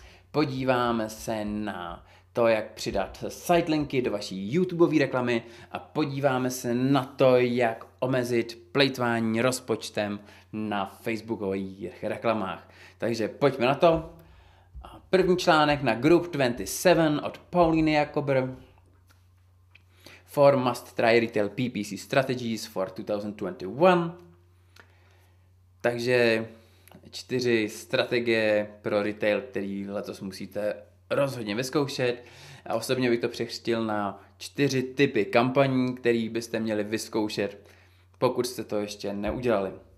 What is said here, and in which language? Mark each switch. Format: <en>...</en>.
<cs>Podíváme se na to, jak přidat sitelinky do vaší YouTubeové reklamy a podíváme se na to, jak omezit plejtvání rozpočtem na facebookových reklamách. Takže pojďme na to. První článek na Group 27 od Pauliny Jakobr.</cs> <en>4 must try retail PPC strategies for 2021.</en> <cs>Takže 4 strategie pro retail, který letos musíte rozhodně vyzkoušet. A osobně bych to přechřtil na 4 typy kampaní, které byste měli vyzkoušet, pokud jste to ještě neudělali.</cs>